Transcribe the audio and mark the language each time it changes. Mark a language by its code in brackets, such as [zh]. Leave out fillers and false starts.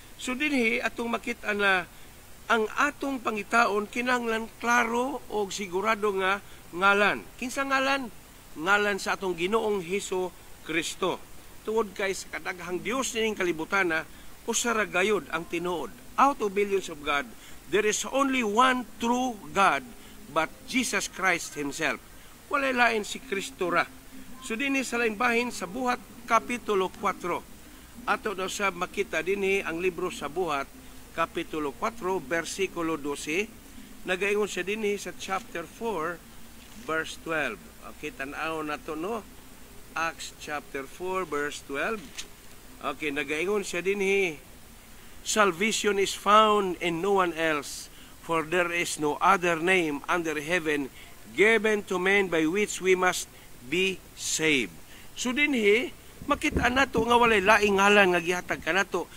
[ceb] So din, hey, atong makita na ang atong pangitaon kinanglan klaro o sigurado nga ngalan. Kinsa ngalan? Ngalan sa atong Ginoong Hesu Kristo. Tuod kay sa kadaghang Dios ning kalibutan na usara gayod ang tinuod. [en] Out of billions of God, there is only one true God but Jesus Christ himself. [ceb] Wala lain si Kristo ra. So dinhi sa lain bahin sa Buhat kapitulo 4. Ato na sa makita dinhi ang libro sa Buhat Kapitulo 4, versikulo 12, nagaingon siya din sa chapter 4, verse 12. Okay, tanaw na ito, no? Acts chapter 4, verse 12. Okay, nagaingon siya din, [en] salvation is found in no one else, for there is no other name under heaven given to men by which we must be saved. [ceb] So din, makita na to nga walay laing ngalan nga gihatag ka na to.